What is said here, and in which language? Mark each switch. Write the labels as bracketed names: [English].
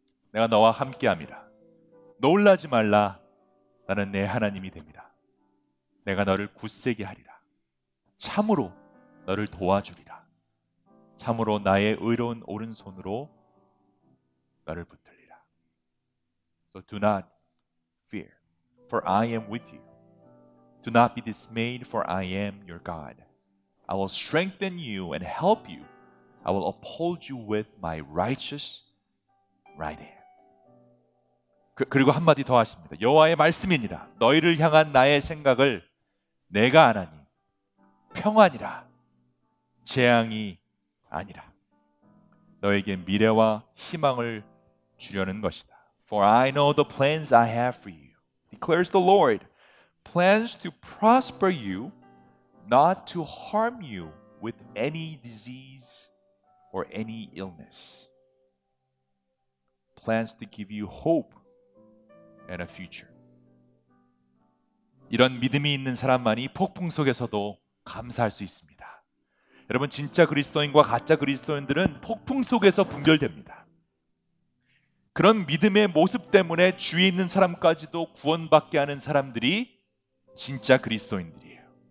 [Korean] 내가 너와 함께합니다. 놀라지 말라. 나는 내 하나님이 됩니다. 내가 너를 굳세게 하리라. 참으로 너를 도와주리라. 참으로 나의 의로운 오른손으로 너를 붙들리라. [English] So do not fear, for I am with you. Do not be dismayed, for I am your God. I will strengthen you and help you. I will uphold you with my righteous right hand. [Korean] 그리고 한마디 더 하십니다. 여호와의 말씀이니라. 너희를 향한 나의 생각을 내가 아나니 평안이라. 재앙이 아니라 너에게 미래와 희망을 주려는 것이다. [English] For I know the plans I have for you, declares the Lord, plans to prosper you, not to harm you with any disease or any illness. Plans to give you hope and a future. [Korean] 이런 믿음이 있는 사람만이 폭풍 속에서도 감사할 수 있습니다. 여러분 진짜 그리스도인과 가짜 그리스도인들은 폭풍 속에서 분별됩니다. 그런 믿음의 모습 때문에 주위에 있는 사람까지도 구원받게 하는 사람들이 진짜 그리스도인들이에요.